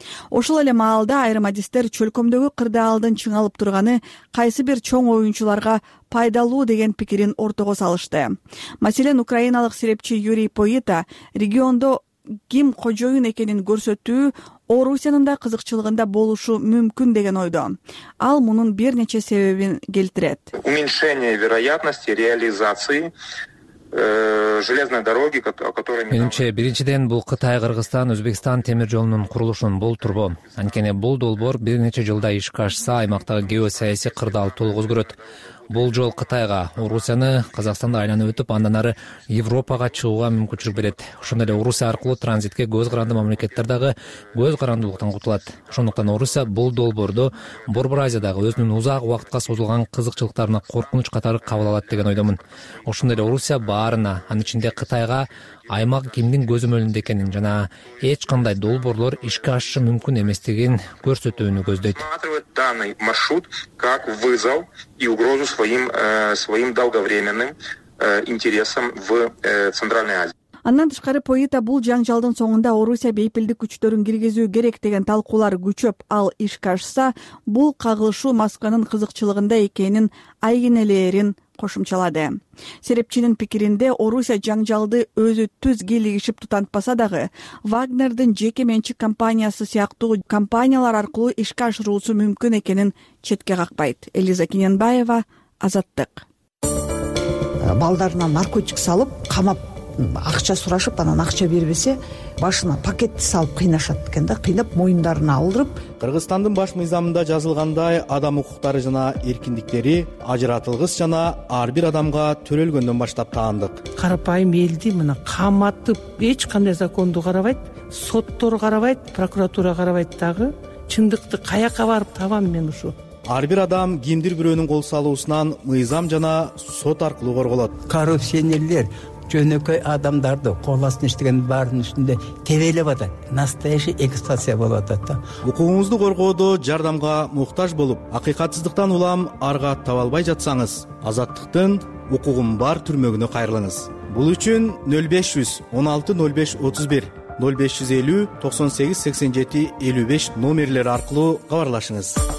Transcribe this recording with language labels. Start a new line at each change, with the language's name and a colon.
Kyrgyz: Ошол эле маалда айрым адистер чөлкөмдөгү кырдаалдын чыңалып турганы кайсы бир чоң оюнчуларга пайдалуу деген пикирин ортого салышты. Маселен, украиналык серепчи Юрий Поита региондо ким кожоюн экенин көрсөтүү Орусиянын да кызыкчылыгында болушу мүмкүн деген ойдо. Ал мунун бир нече себебин келтирет.
Russian: Уменьшение вероятности реализации железной дороги, которая...
Kyrgyz: Менимче, биринчиден бул Кытай, Кыргызстан, Өзбекстан темир жолунун курулушун болтурбо. Анткени бул долбоор бир нече жылда ишке ашса аймактагы геосаясий кырдаал толгузгурет. Бул жол Кытайга, Орусияны, Казакстанды айланып өтүп, андан ары Европага чыгууга мүмкүнчүлүк берет. Ошондой эле Орусия аркылуу транзитке көз каранды мамлекеттер дагы көз карандуулуктан кутулат. Ошондуктан Орусия бул долбоордо Борбор Азиядагы өзүнүн узак убакытка созулган кызыкчылыктарына коркунуч катары кабыл алат деген ойдомун. Ошондой эле Орусия баарына, анын ичинде Кытайга аймак кимдин көзөмөлүндө экенин жана эч кандай долбоорлор ишке ашышы мүмкүн эместигин көрсөтүүнү көздөйт.
Russian: Данный маршрут как вызов и угрозу своим долговременным интересам в Центральной Азии.
Kyrgyz: Андан тышкары Поита бул жаңжалдын соңунда Орусия бейпилдик күчтөрүн киргизүү керек деген талкуулар күчөп, ал ишке ашса, бул кагылышуу Москванын кызыкчылыгында экенин айгинелээрин кошумчалады. Серепчинин пикиринде Орусия жаңжалды өзү түз кийлигишип тутантпаса дагы, Вагнердин жеке менчик компаниясы сыяктуу компаниялар аркылуу ишке ашыруусу мүмкүн экенин четке какпайт. Элиза Кененбаева, Азаттык. Балдарына наркотик салып камап акча сурашып, анан акча бербесе башына пакетти салып кыйнашат экен да, кыйнап моюндарына алдырып. Кыргызстандын баш мыйзамында жазылгандай, адам укуктары жана эркиндиктери ажыратылгыс жана ар бир адамга төрөлгөндөн баштап таандык. Карапайым элди мына каматып, эч кандай законду карабайт, соттор карабайт, прокуратура карабайт дагы. Чындыкты каяка барып табам мен ушу? Ар бир адам кимдир бирөөнүн кол салуусунан мыйзам жана сот аркылуу корголот. Коррупционерлер жөнөкөй адамдарды кол астына иштегендин баарынын үстүндө тебелеп атат.
Russian: Настоящий эксплуатация
Kyrgyz: болуп атат да. Укугуңузду коргоодо жардамга муктаж болуп, акыйкатсыздыктан улам арга таба албай жатсаңыз, Азаттыктын укугум бар түрмөгүнө кайрылыңыз. Бул үчүн 0500 16 05 31, 0500 98 87 55 номерлери аркылуу кабарлашыңыз.